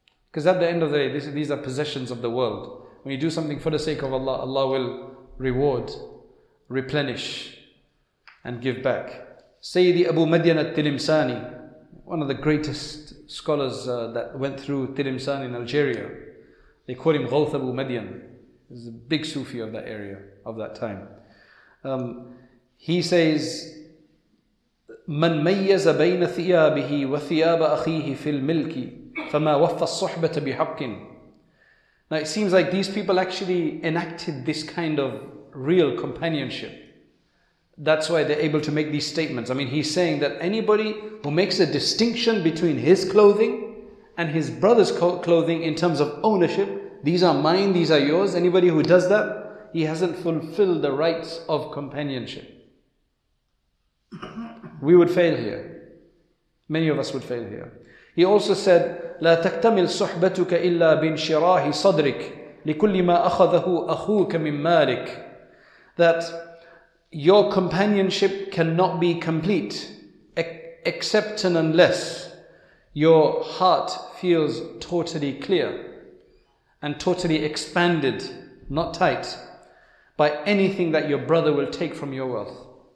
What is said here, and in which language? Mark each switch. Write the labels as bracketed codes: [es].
[en] Because at the end of the day, these are possessions of the world. When you do something for the sake of Allah, Allah will reward, replenish, and give back. Sayyidi Abu Madian al-Tilimsani, one of the greatest scholars that went through Tilimsan in Algeria. They call him Ghawth Abu Madian. He's a big Sufi of that area, of that time. He says, [ar] مَنْ مَيَّزَ بَيْنَ ثِيَابِهِ وَثِيَابَ أَخِيهِ فِي الْمِلْكِ فَمَا وَفَّ الصُّحْبَةَ بِحَقٍ. [en] Now it seems like these people actually enacted this kind of real companionship. That's why they're able to make these statements. I mean, he's saying that anybody who makes a distinction between his clothing and his brother's clothing in terms of ownership, these are mine, these are yours, anybody who does that, he hasn't fulfilled the rights of companionship. We would fail here. Many of us would fail here. He also said, [ar] لا تكتمل صحبتك إلا بانشراح صدرك لكل ما أخذه أخوك من مالك. [en] That your companionship cannot be complete except and unless your heart feels totally clear and totally expanded, not tight, by anything that your brother will take from your wealth.